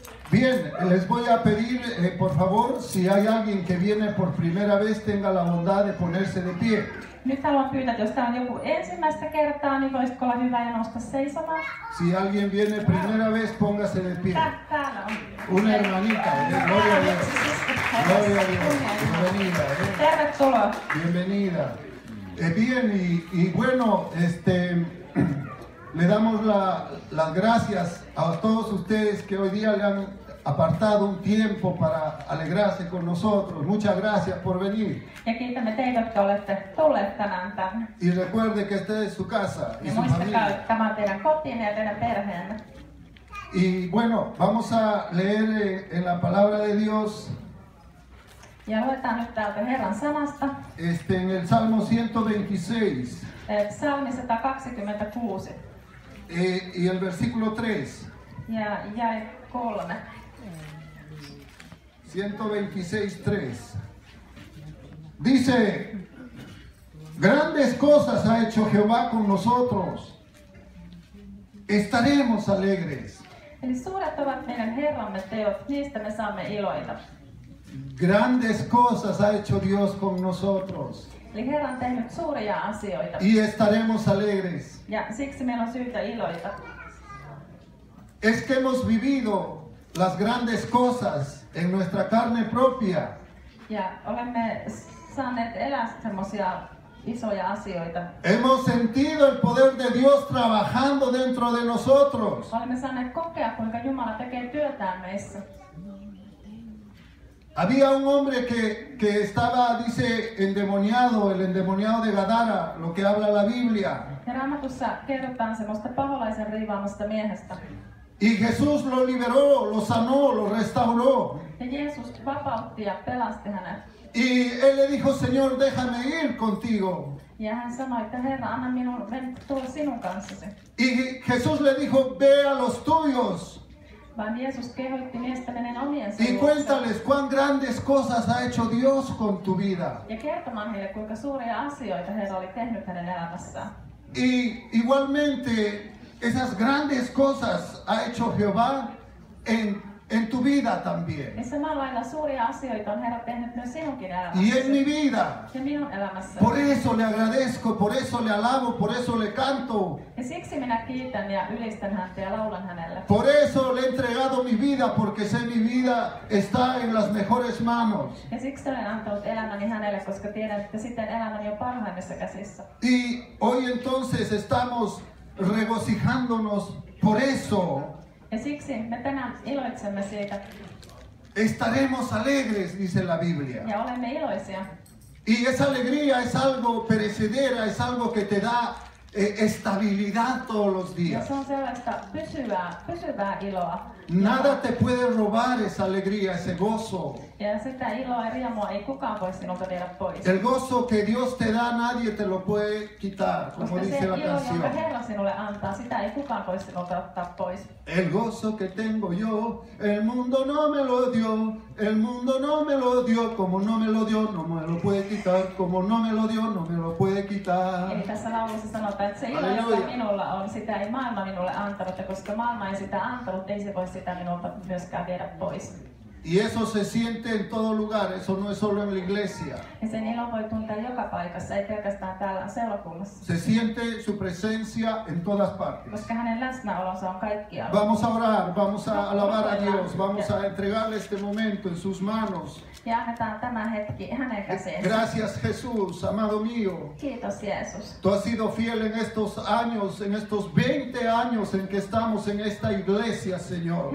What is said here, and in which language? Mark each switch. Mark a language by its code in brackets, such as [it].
[es] Bien, les voy a pedir, por favor, si hay alguien que viene por primera vez, tenga la bondad de ponerse de pie. [fi] Nyt haluan pyytää, jos tää on joku ensimmäistä kertaa, niin voisitko olla hyvä ja nousta seisomaan. [es] Si alguien viene primera vez, póngase de pie. [fi] Täällä on. [es] Una hermanita. Gloria a Dios. Gloria a Dios. Bienvenida. [fi] Tervetuloa. [es] Bienvenida. Bien, y bueno, le damos las gracias a todos ustedes que hoy día le han apartado un tiempo para alegrarse con nosotros. Muchas gracias por venir. [fi] Ja kiitämme teitä, että olette tulleet tänään tänne. [es] Y recuerde que esta es su casa y su familia. [fi] Ja muistakaa, että tämä on teidän kotiinne ja teidän perheenne. [es] Y bueno, vamos a leer en la palabra de Dios. [fi] Ja luetaan nyt täältä Herran sanasta. [es] En el Salmo 126. [fi] Salmi 126. [es] Y el versículo 3. Ya es 3. 126:3. Dice: grandes cosas ha hecho Jehová con nosotros. Estaremos alegres. [fi] Eli suuret ovat meidän Herramme teot, niistä me saamme iloita. [es] Grandes cosas ha hecho Dios con nosotros. [fi] Eli Herra on tehnyt suuria asioita. [es] Y estaremos alegres. [fi] Ja siksi meillä on syytä iloita. [es] Es que hemos vivido las grandes cosas en nuestra carne propia. [fi] Ja olemme saaneet elää semmoisia isoja asioita. [es] Hemos sentido el poder de Dios trabajando dentro de nosotros. [fi] Olemme saaneet kokea, kuinka Jumala tekee työtään meissä. [es] Había un hombre que estaba, dice, endemoniado, el endemoniado de Gadara, lo que habla la Biblia. [fi] Raamatussa kerrotaan semmoista paholaisen riivaamasta miehestä. [es] Y Jesús lo liberó, lo sanó, lo restauró. [fi] Ja Jeesus vapautti ja pelasti hänet. [es] Y él le dijo, Señor, déjame ir contigo. [fi] Ja hän sanoi, että Herra, anna minun tulla sinun kanssasi. [es] Y Jesús le dijo, ve a los tuyos. [fi] Vaan Jeesus kehoitti miestä menen omien sivuun. [es] Y cuéntales cuán grandes cosas ha hecho Dios con tu vida. [fi] Ja kertomaan heille, kuinka suuria asioita Herra oli tehnyt hänen elämässään. [es] Y igualmente esas grandes cosas ha hecho Jehová en tu vida también. [fi] Ja samalla lailla suuria asioita on Herra tehnyt myös sinunkin elämässäsi. [es] Y en mi vida. [fi] Ja minun elämässäni. [es] Por eso le agradezco, por eso le alabo, por eso le canto. [fi] Ja siksi minä kiitän ja ylistän häntä ja laulan hänelle. [es] Por eso le he entregado mi vida, porque sé mi vida está en las mejores manos. [fi] Ja siksi olen antanut elämäni hänelle, koska tiedän, että siten elämäni on parhaimmissa käsissä. [es] Y hoy entonces estamos regocijándonos por eso. [fi] Ja siksi me tänään iloitsemme siitä. [es] Estaremos alegres, dice la Biblia. [fi] Ja olemme iloisia. [es] Y esa alegría es algo perecedera, es algo que te da estabilidad todos los días. [fi] Ja se on sellaista pysyvää iloa. [es] Nada te puede robar esa alegría, ese gozo. [fi] Ja sitä iloa ja riemua ei kukaan voi sinulta viedä pois. [es] El gozo que Dios te da, nadie te lo puede quitar, como [fi] koska [es] dice la canción. [fi] Koska se iloa, jonka Herra sinulle antaa, sitä ei kukaan voi sinulta ottaa pois. [es] El gozo que tengo yo, el mundo no me lo dio, El mundo no me lo dio, como no me lo dio, no me lo puede quitar, como no me lo dio, no me lo puede quitar. [fi] Eli tässä laulussa sanotaan, että se ilo, joka minulla on, sitä ei maailma minulle antanut, ja koska maailma ei sitä antanut, ei se voi sitä minulta myöskään viedä pois. [es] Y eso se siente en todo lugar, eso no es solo en la iglesia. [fi] Ja sen ilo voi tuntea joka paikassa, ei pelkästään täällä seurakunnassa. [es] Se siente su presencia en todas partes. [fi] Koska hänen läsnäolonsa on kaikkialla. [es] Vamos a orar, vamos a alabar a Dios, vamos a entregarle este momento en sus manos. [fi] Ja annetaan tämä hetki hänen käsiinsä. [es] Gracias Jesús, amado mío. [fi] Kiitos Jeesus. [es] Tú has sido fiel en estos años, en estos 20 años en que estamos en esta iglesia, Señor.